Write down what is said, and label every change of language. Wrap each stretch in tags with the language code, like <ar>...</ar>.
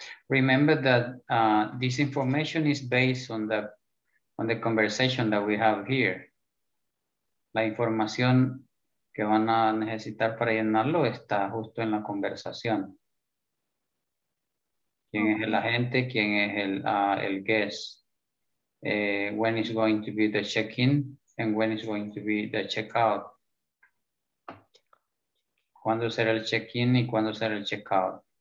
<en>Remember that this information is based on the conversation that we have here.</en> <es>La información que van a necesitar para llenarlo está justo en la conversación. ¿Quién es el agente? ¿Quién es el guest?</es> <en>When is going to be the check-in and when is going to be the check-out?</en> <es>¿Cuándo será el check-in y cuándo será el check-out?</es>